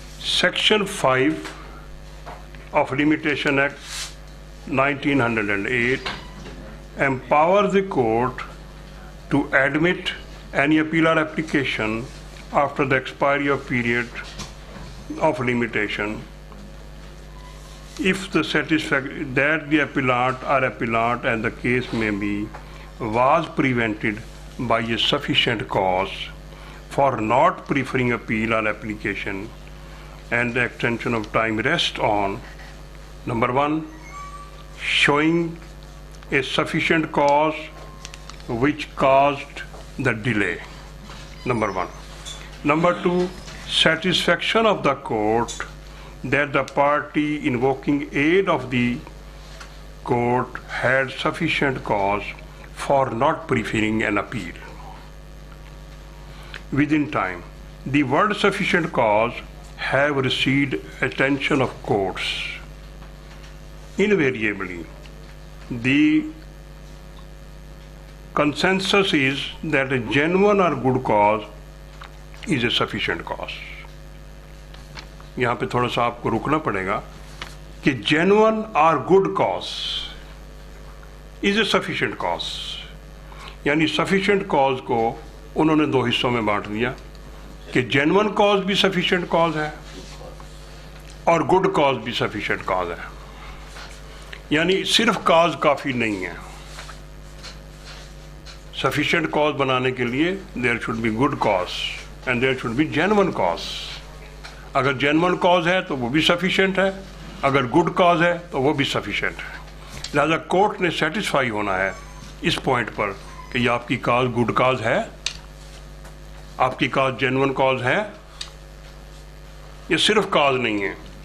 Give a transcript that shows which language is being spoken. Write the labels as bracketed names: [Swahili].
[English] Section 5 of limitation act 1908 empower the court to admit any appeal or application after the expiry of period of limitation if the satisfaction that the appellant or appellant and the case may be was prevented by a sufficient cause for not preferring appeal on application and the extension of time rests on, number one, showing a sufficient cause which caused the delay, number one. Number two, satisfaction of the court that the party invoking aid of the court had sufficient cause for not preferring an appeal within time. The word sufficient cause have received attention of courts. Invariably, the consensus is that a genuine or good cause is a sufficient cause. [Hindi] यहाँ पे थोड़ा सा आपको रुकना पड़ेगा कि [English] genuine or good cause is a sufficient cause. [Hindi] यानी sufficient cause को उन्होंने दो हिस्सों में बांट दिया कि genuine cause भी sufficient cause है और good cause भी sufficient cause है. यानी सिर्फ cause काफी नहीं है. [English] Sufficient cause [Hindi] बनाने के लिए [English] there should be good cause and there should be genuine cause. [Hindi] अगर genuine cause है तो वो भी sufficient है, अगर good cause है तो वो भी sufficient है. लिहाजा court ने satisfy होना है इस point पर कि ये आपकी cause good cause है, आपकी cause genuine cause है, ये सिर्फ cause नहीं है.